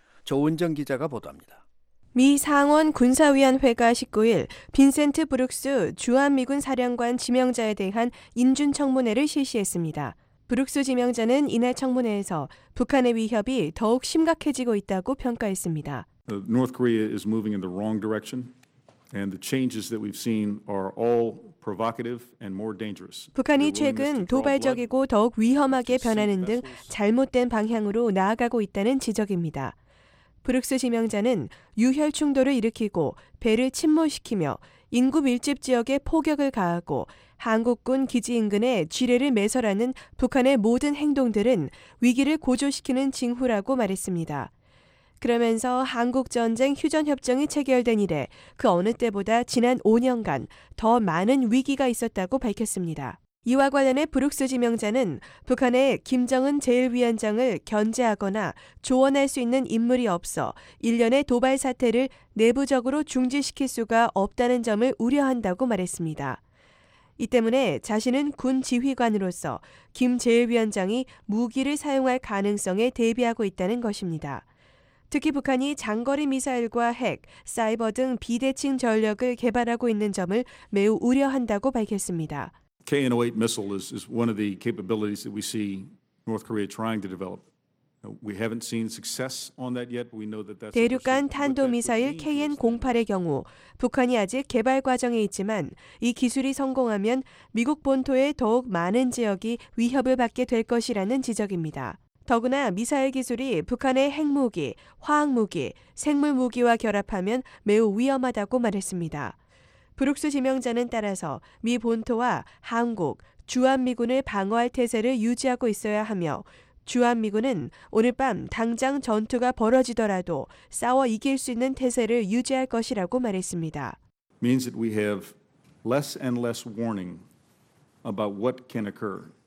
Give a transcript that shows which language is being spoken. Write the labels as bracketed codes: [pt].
[ko] 조은정 기자가 보도합니다. 미 상원 군사위원회가 19일 빈센트 브룩스 주한미군 사령관 지명자에 대한 인준청문회를 실시했습니다. 브룩스 지명자는 이날 청문회에서 북한의 위협이 더욱 심각해지고 있다고 평가했습니다. [en] North Korea is moving in the wrong direction and the changes that we've seen are all provocative and more dangerous. [ko] 북한이 최근 도발적이고 더욱 위험하게 변하는 등 잘못된 방향으로 나아가고 있다는 지적입니다. 브룩스 지명자는 유혈 충돌을 일으키고 배를 침몰시키며 인구 밀집 지역에 포격을 가하고 한국군 기지 인근에 지뢰를 매설하는 북한의 모든 행동들은 위기를 고조시키는 징후라고 말했습니다. 그러면서 한국전쟁 휴전협정이 체결된 이래 그 어느 때보다 지난 5년간 더 많은 위기가 있었다고 밝혔습니다. 이와 관련해 브룩스 지명자는 북한에 김정은 제1위원장을 견제하거나 조언할 수 있는 인물이 없어 일련의 도발 사태를 내부적으로 중지시킬 수가 없다는 점을 우려한다고 말했습니다. 이 때문에 자신은 군 지휘관으로서 김 제1위원장이 무기를 사용할 가능성에 대비하고 있다는 것입니다. 특히 북한이 장거리 미사일과 핵, 사이버 등 비대칭 전력을 개발하고 있는 점을 매우 우려한다고 밝혔습니다. [en] KN-08 missile is one of the capabilities that we see North Korea trying to develop. We haven't seen success on that yet, but we know that that's [ko] 대륙간 탄도 미사일 KN-08의 경우 북한이 아직 개발 과정에 있지만 이 기술이 성공하면 미국 본토에 더욱 많은 지역이 위협을 받게 될 것이라는 지적입니다. 더구나 미사일 기술이 북한의 핵무기, 화학무기, 생물무기와 결합하면 매우 위험하다고 말했습니다. 브룩스 지명자는 따라서 미 본토와 한국, 주한미군을 방어할 태세를 유지하고 있어야 하며 주한미군은 오늘 밤 당장 전투가 벌어지더라도 싸워 이길 수 있는 태세를 유지할 것이라고 말했습니다. [en] means that we have less and less warning about what can occur.